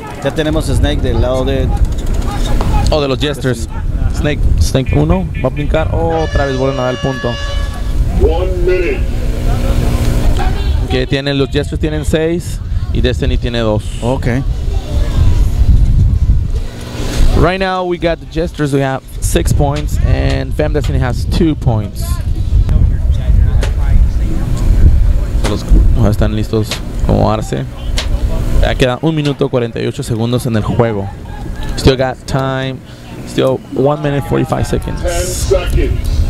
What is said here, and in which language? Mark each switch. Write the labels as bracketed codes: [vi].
[es] Ya tenemos a Snake del lado de... Oh, de los Jesters. Snake 1, va a brincar. Oh, otra vez vuelven a dar el punto. Que okay, tienen los Jesters tienen 6 y Destiny tiene 2. Ok. [en] Right now we got the Jesters, we have 6 points and Femme Destiny has 2 points. [es] Los están listos como Arce. Ya queda 1 minuto 48 segundos en el juego. [en] Still got time. Still 1 minute 45 seconds. 10 seconds.